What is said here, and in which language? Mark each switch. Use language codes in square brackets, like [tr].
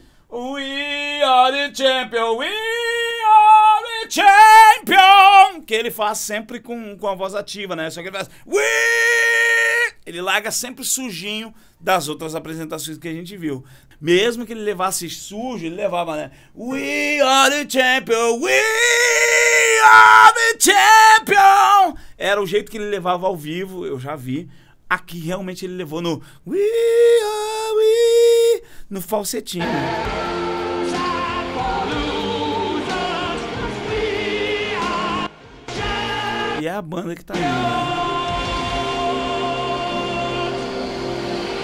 [en] We are the champion, we are the champion! [pt] Que ele faz sempre com a voz ativa, né? Só que ele faz... We! Ele larga sempre sujinho das outras apresentações que a gente viu. Mesmo que ele levasse sujo, ele levava, né? [en] We are the champion, we are the champion! [pt] Era o jeito que ele levava ao vivo, eu já vi. Aqui realmente ele levou no... [en] We are we... [pt] No falsetinho. E é a banda que tá aí. Né?